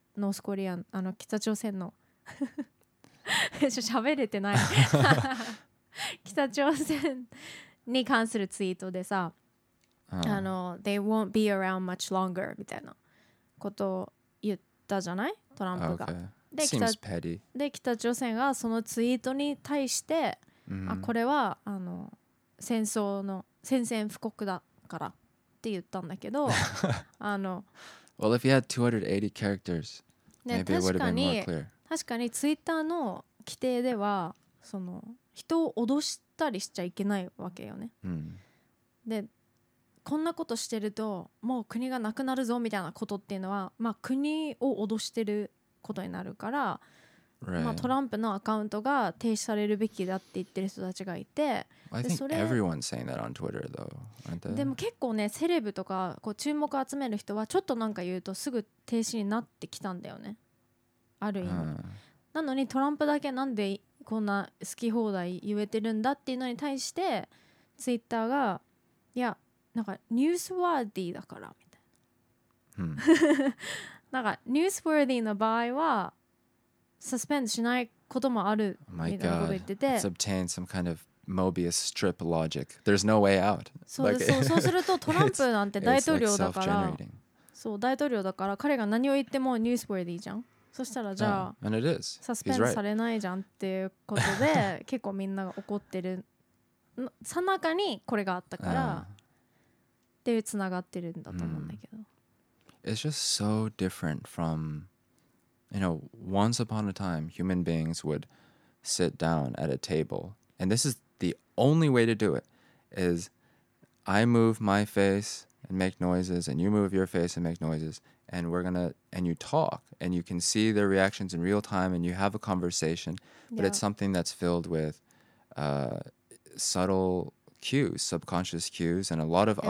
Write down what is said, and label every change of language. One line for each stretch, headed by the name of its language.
Japanese: ノースコリア、あの北朝鮮の喋れてない北朝鮮に関するツイートでさ、あの
English: They won't be around much longer
Japanese: みたいなことを言ったじゃない、トランプが。
English: Okay. Seems petty.
Japanese: で北朝鮮がそのツイートに対して Mm-hmm. あ、これはあの戦争の宣戦布告だからって言ったんだけどあの
English: Well, if you had 280 characters, maybe it would have been more clear.
Japanese: 確かにツイッターの規定ではその人を脅したりしちゃいけないわけよね、 mm-hmm. でこんなことしてるともう国がなくなるぞみたいなことっていうのは、まあ、国を脅してることになるから、
English: Right.
Japanese: まあ、トランプのアカウントが停止されるべきだって言ってる人たちがいて、
English: well, I think それ everyone's saying that on Twitter, though, aren't they?
Japanese: でも結構ねセレブとかこう注目を集める人はちょっとなんか言うとすぐ停止になってきたんだよね、ある意味、なのにトランプだけなんでこんな好き放題言えてるんだっていうのに対してツイッターがいやなんかニュースワーディーだからみたいな、なんかニュースワーディーの場合はサスペンドしないこともあるみたいなこと言ってて、
English: It's obtained some kind of Mobius strip logic. There's no way out.
Japanese: そう、like、そうするとトランプなんて大統領だから、そう大統領だから彼が何を言ってもニュースウォーディーじゃん。そしたらじゃあ、
English: and it is.
Japanese: サスペンドされないじゃんっていうことで結構みんなが怒ってる。さなかにこれがあったからで繋がってるんだと思うんだけど。
English: It's just so different from. You know, once upon a time, human beings would sit down at a table. And this is the only way to do it, is I move my face and make noises, and you move your face and make noises, and we're gonna, and you talk, and you can see their reactions in real time, and you have a conversation, but yeah. it's something that's filled with subtle cues, subconscious cues, and a lot of yeah.